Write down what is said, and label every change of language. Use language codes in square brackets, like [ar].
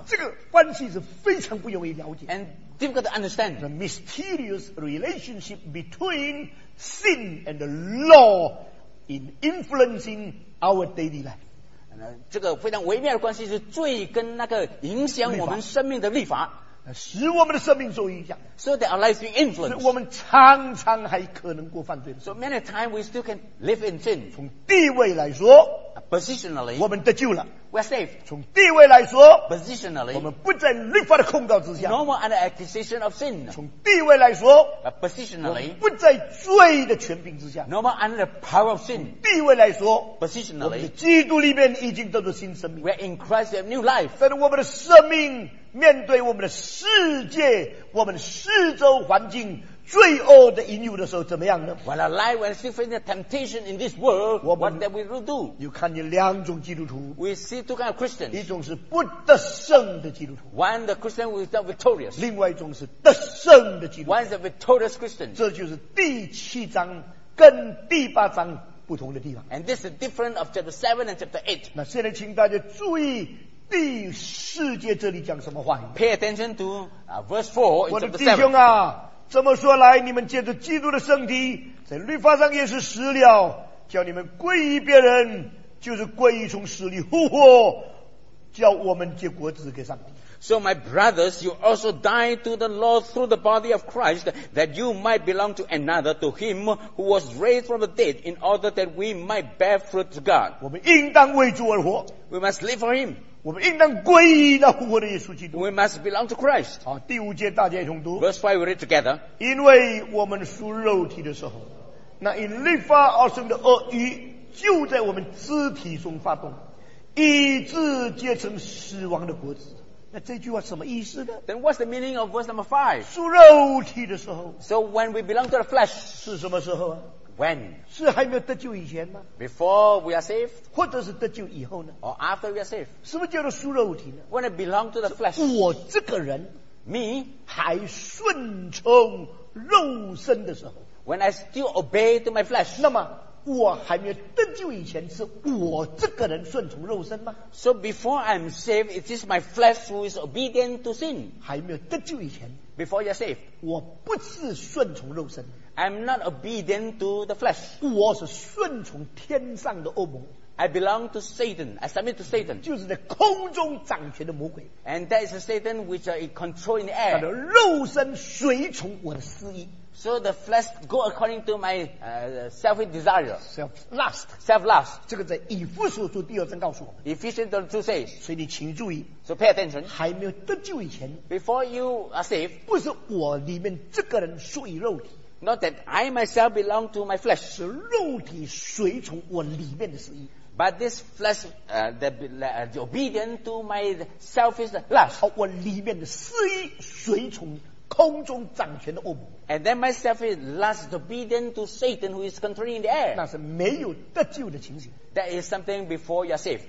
[zh] 这个关系是非常不容易了解。 [en] And difficult to understand. The mysterious relationship between sin and the law in influencing our daily life. [zh] 这个非常微妙的关系是罪跟那个影响我们生命的律法使我们的生命受影响 [en] so that our life is being influenced [zh] 我们常常还可能过犯罪 [en] so many times we still can live in sin [zh] 从地位来说 [en] positionally [zh] 我们得救了 [en] we are saved [zh] 从地位来说 [en] positionally [zh] 我们不在律法的控告之下 [en] no more under accusation of sin [zh] 从地位来说 [en] positionally [zh] 不在罪的权柄之下 [en] no more under the power of sin [zh] 地位来说 [en] positionally [zh] 我们基督里面已经得到新生命 [en] we are in Christ we have new life [zh] 但是我们的生命面对我们的世界我们的四周环境罪恶的引诱的时候怎么样呢 [en] When alive, when still facing the temptation in this world, what that we will do? [zh] 你看见两种基督徒 [en] We see two kinds of Christians [zh] 一种是不得胜的基督徒 [en] One the Christian who is not victorious [zh] 另外一种是得胜的基督徒 [en] One is a victorious Christian [zh] 这就是第七章跟第八章不同的地方 [en] And this is different of chapter 7 and chapter 8 [zh] 那现在请大家注意第四节这里讲什么话语 [en] Pay attention to verse 4 [zh] 我的弟兄啊这么说来你们借着基督的圣体在律法上也是死了叫你们归于别人就是归于从死里复活叫我们借国子给上帝 [en] So my brothers you also died to the law through the body of Christ that you might belong to another to him who was raised from the dead in order that we might bear fruit to God [zh] 我们应当为主而活 [en] We must live for him [zh] 我们应当归于那复活的耶稣基督。 [en] We must belong to Christ. [zh] 好，第五节大家一同读。 [en] Verse 5 we read together. [zh] 因为我们属肉体的时候，那因律法而生的恶欲就在我们肢体中发动，以致结成死亡的果子。那这句话什么意思呢 [en] ？Then what's the meaning of verse number 5? [zh] 属肉体的时候。 [en] So when we belong to the flesh. [zh] 是什么时候啊？ [en] When? [zh] 是还没有得救以前吗 [en] Before we are saved [zh] 或者是得救以后呢 [en] Or after we are saved [zh] 什么叫做属肉体呢 [en] When it belongs to the flesh [zh] 我这个人 [en] Me [zh] 还顺从肉身的时候 [en] When I still obey to my flesh [zh] 那么我还没有得救以前是我这个人顺从肉身吗 [en] So before I'm saved it is my flesh who is obedient to sin [zh] 还没有得救以前 [en] Before you are saved [zh] 我不是顺从肉身 [en] I'm not obedient to the flesh. [zh] 我是顺从天上的恶魔。 [en] I belong to Satan. I submit to Satan. [zh] 就是在空中掌权的魔鬼。 [en] And that is Satan which is controlling the air. [zh] 他的肉身随从我的私意。 [en] So the flesh go according to my selfish desire. Self-lust. Self-lust. [zh] 这个在以弗所书第二章告诉我们。 [en] Ephesians 2 says. [zh] 所以你请注意。 [en] So pay attention. [zh] 还没有得救以前。 [en] Before you are saved. [zh] 不是我里面这个人属于肉体。 [en] Not that I myself belong to my flesh. [zh] 是肉体随从我里面的私意。 [en] But this flesh, the obedient to my selfish lust. [zh] 好，我里面的私意随从空中掌权的恶魔。 [en] And then my selfish lust is obedient to Satan who is controlling the air. [zh] 那是没有得救的情形。 [en] That is something before you are saved.